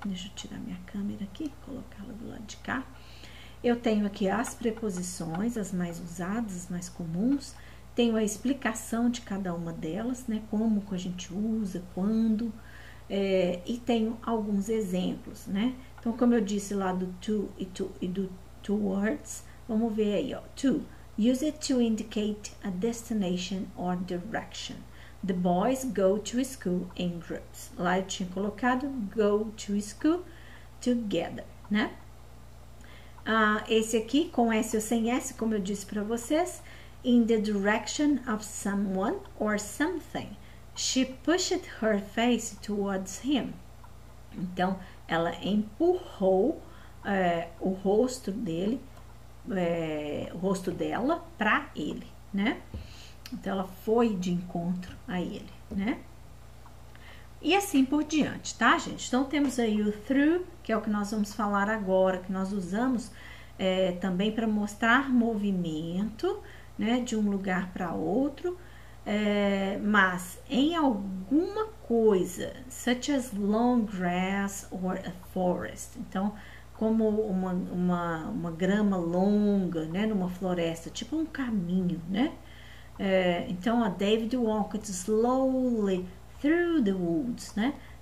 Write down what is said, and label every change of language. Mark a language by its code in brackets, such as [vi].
[pt] Deixa eu tirar minha câmera aqui, colocá-la do lado de cá. Eu tenho aqui as preposições, as mais usadas, as mais comuns. Tenho a explicação de cada uma delas, né? Como que a gente usa, quando, e tenho alguns exemplos, né? Então, como eu disse lá do to e to e do towards, vamos ver aí, ó. [en] To, use it to indicate a destination or direction. The boys go to school in groups. [pt] Lá eu tinha colocado [en] go to school together, [pt] né? Ah, esse aqui, com S ou sem S, como eu disse para vocês. [en] In the direction of someone or something. She pushed her face towards him. [pt] Então, ela empurrou o rosto dele, o rosto dela para ele, né? Então, ela foi de encontro a ele, né? E assim por diante, tá, gente? Então, temos aí o through, que é o que nós vamos falar agora, que nós usamos também para mostrar movimento, né, de um lugar para outro, mas em alguma coisa, [en] such as long grass or a forest. [pt] Então, como uma grama longa, né, numa floresta, tipo um caminho, né? [en] Então, a David walked slowly through the woods, né?